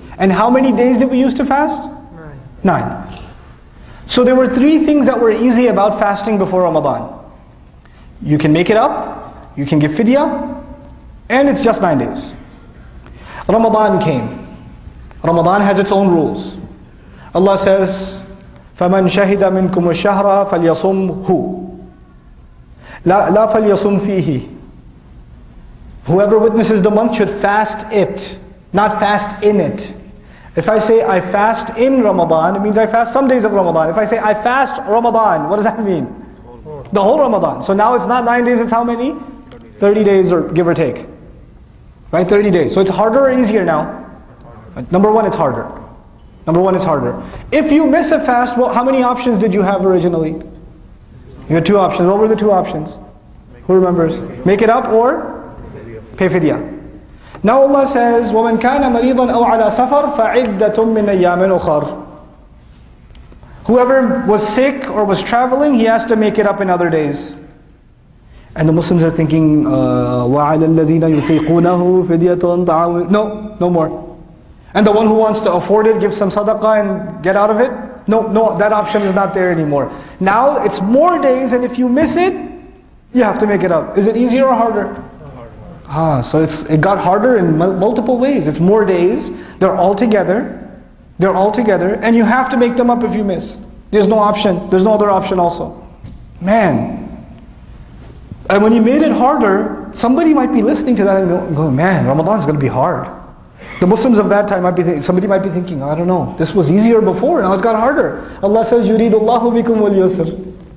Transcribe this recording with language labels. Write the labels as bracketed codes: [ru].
[en] And how many days did we used to fast? Nine. So there were three things that were easy about fasting before Ramadan. You can make it up, you can give fidya, and it's just 9 days. Ramadan came. Ramadan has its own rules. Allah says, [ar] فَمَنْ شَهِدَ مِنْكُمُ الشَّهْرَ فَلْيَصُمْهُ لَا فَلْيَصُمْ فِيهِ. [en] Whoever witnesses the month should fast it, not fast in it. If I say I fast in Ramadan, it means I fast some days of Ramadan. If I say I fast Ramadan, what does that mean? The whole Ramadan. So now it's not 9 days, it's how many? 30 days or give or take. Right, 30 days. So it's harder or easier now? Number one, it's harder. If you miss a fast, well, how many options did you have originally? You had two options. What were the two options? Who remembers? Make it up or? Pay fidya. Now Allah says, [ar] وَمَنْ كَانَ مَرِيضًا أَوْ عَلَىٰ سَفَرْ فَعِدَّةٌ مِّنْ أَيَّامٍ أُخَرْ. [en] Whoever was sick or was traveling, he has to make it up in other days. And the Muslims are thinking, [ar] وَعَلَى الَّذِينَ يُطِيقُونَهُ فِدْيَةٌ طَعَامٌ. [en] No, no more. And the one who wants to afford it, give some sadaqah and get out of it? No, no, that option is not there anymore. Now it's more days, and if you miss it, you have to make it up. Is it easier or harder? Ah, so it got harder in multiple ways. It's more days, they're all together, and you have to make them up if you miss. There's no option, there's no other option also. Man. And when you made it harder, somebody might be listening to that and go, man, Ramadan is going to be hard. The Muslims of that time might be thinking, I don't know, this was easier before, now it got harder. Allah says, [ar] يُرِيدُ اللَّهُ بِكُمْ وَالْيُسْرِ.